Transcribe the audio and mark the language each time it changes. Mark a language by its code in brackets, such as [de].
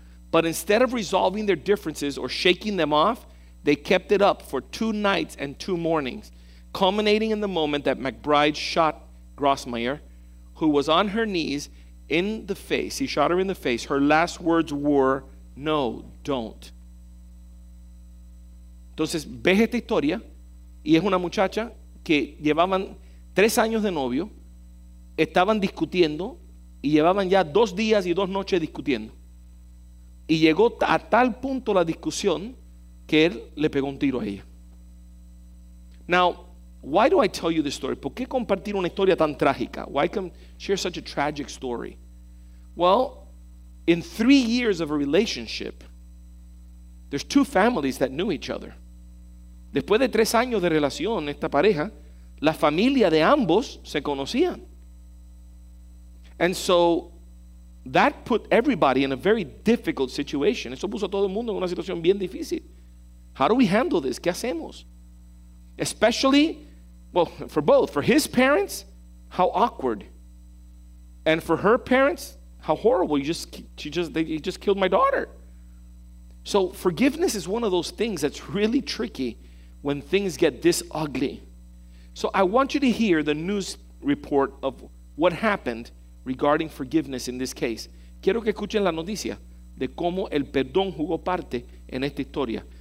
[en] But instead of resolving their differences or shaking them off, they kept it up for 2 nights and 2 mornings, culminating in the moment that McBride shot Grossmere, who was on her knees in the face. He shot her in the face. Her last words were, "No, don't." [es] Entonces, ves esta historia, y es una muchacha que llevaban 3 años de novio, estaban discutiendo, y llevaban ya 2 días y 2 noches discutiendo. Y llegó a tal punto la discusión que él le pegó un tiro a ella. [en] Now, why do I tell you this story? [es] ¿Por qué compartir una historia tan trágica? [en] Why come share such a tragic story? Well, in 3 years of a relationship, there's two families that knew each other. [es] Después de 3 años de relación, esta pareja, la familia de ambos se conocían. [en] And so that put everybody in a very difficult situation. [es] Eso puso a todo el mundo en una situación bien difícil. [en] How do we handle this? [es] ¿Qué hacemos? [en] Especially, well, for both. For his parents, how awkward. And for her parents, how horrible. He just killed my daughter. So forgiveness is one of those things that's really tricky when things get this ugly. So I want you to hear the news report of what happened regarding forgiveness in this case. [es] Quiero que escuchen la noticia de cómo el perdón jugó parte en esta historia.